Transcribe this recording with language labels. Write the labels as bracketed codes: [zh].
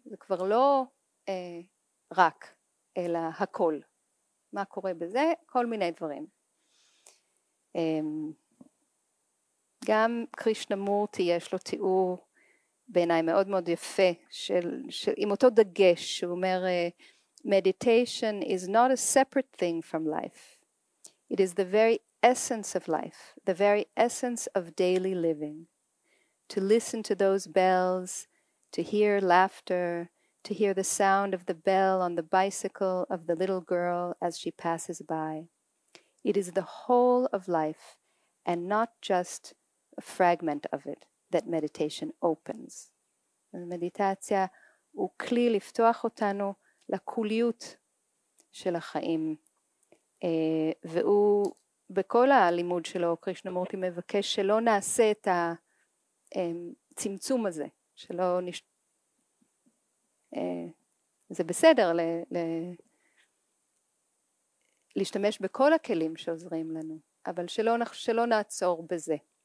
[he] זה כבר לא רק, אלא הכל. מה קורה בזה? כל מיני דברים. גם קרישנמורטי יש לו תיאור בעיניי מאוד מאוד יפה, של עם אותו דגש, שהוא אומר, [en] meditation is not a separate thing from life. It is the very essence of life, the very essence of daily living. To listen to those bells, to hear laughter, to hear the sound of the bell on the bicycle of the little girl as she passes by. It is the whole of life, and not just a fragment of it, that meditation opens. [he] מדיטציה הוא כלי לפתוח אותנו לקוליות של החיים. והוא בכל הלימוד שלו, קרישנמורטי מבקש שלא נעשה את הצמצום הזה, שלא זה בסדר להשתמש בכל הכלים שעוזרים לנו, אבל שלא נעצור בזה.